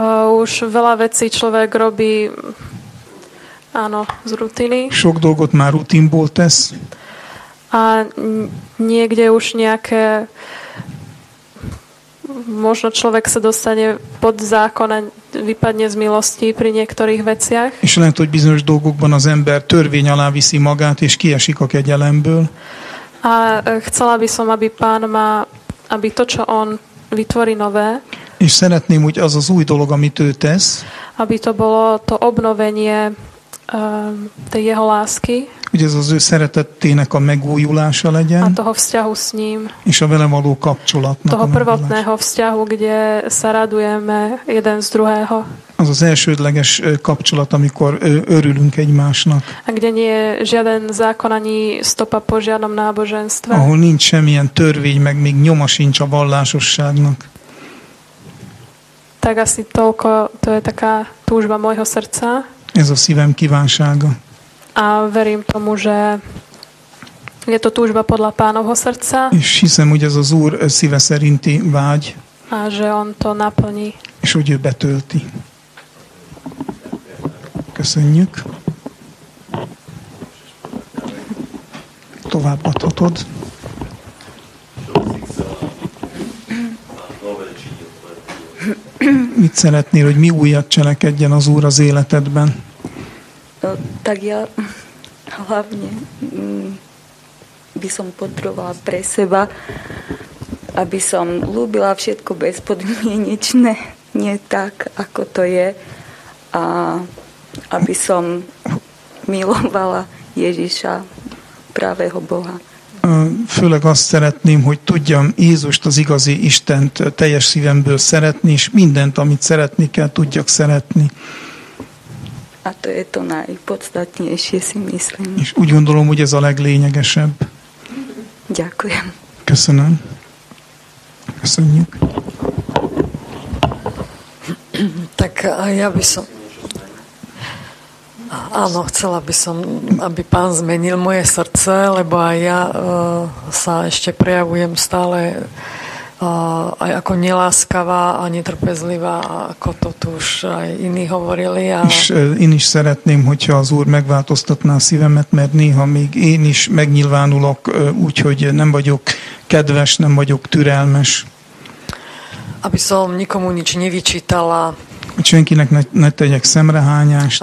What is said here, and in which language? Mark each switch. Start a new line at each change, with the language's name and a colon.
Slovak: Už veľa vecí človek robí, áno, z rutiny.
Hungarian: Sok dolgot már rutinból tesz.
Slovak: A niekde už nejaké možno človek sa dostane pod zákon a vypadne z milosti pri niektorých veciach.
Hungarian: És lehet, hogy bizonyos dolgokban az ember törvény alá viszi magát, és kiesik a kegyelemből.
Slovak: A chcela by som, aby Pán ma, aby to, čo on vytvorí nové.
Hungarian: És szeretném, hogy az az új dolog, amit ő tesz.
Slovak: Aby to bolo to obnovenie tej jeho lásky.
Hungarian: Hogy ez az ő szeretetének a megújulása legyen.
Slovak: A toho vzťahu s ním.
Hungarian: És a vele való kapcsolatnak.
Slovak: Toho prvotného vzťahu, kde sa radujeme jeden z druhého.
Hungarian: Az az elsődleges kapcsolat, amikor örülünk egymásnak.
Slovak: A kde nie je žiaden zákon ani stopa po žiadnom náboženstve.
Hungarian: Ahol nincs semmilyen törvény, meg még nyoma sincs a vallásosságnak.
Slovak: Tak asi toľko, to je taká túžba mojho srdca.
Hungarian: Ez a szívem kívánsága.
Slovak: A verím tomu, že je to túžba podľa Pánovho srdca.
Hungarian: És hiszem, hogy ez az Úr szíve szerinti vágy.
Slovak: A že on to naplní.
Hungarian: És hogy ő betölti. Köszönjük. Tovább adhatod. Mit szeretnél, hogy mi újat cselekedjen az Úr az életedben?
Slovak: Tak ja hlavne by som potrebovala pre seba, aby som ľúbila všetko bezpodmienečné, nie tak, ako to je, a aby som milovala Ježiša, pravého Boha.
Hungarian: Főleg azt szeretném, hogy tudjam Jézust, az igazi Istent teljes szívemből szeretni, és mindent, amit szeretni kell, tudjak szeretni.
Slovak: A to je to najpodstatnejšie, si myslím.
Hungarian: És úgy gondolom, hogy ez a leglényegesebb.
Slovak: Ďakujem.
Hungarian: Köszönöm. Köszönjük.
Slovak: Tak ja by som... Áno, chcela by som, aby Pán zmenil moje srdce, lebo aj ja sa ešte prejavujem stále aj ako neláskavá a netrpezlivá, ako to tu už aj iní hovorili. A...
Hungarian: És én is szeretném, hogyha az Úr megváltoztatná szívemet, mert néha még én is megnyilvánulok úgy, hogy nem vagyok kedves, nem vagyok türelmes.
Slovak: Aby som nikomu nič nevyčítala.
Hungarian: Hogy senkinek ne tegyek szemrehányást.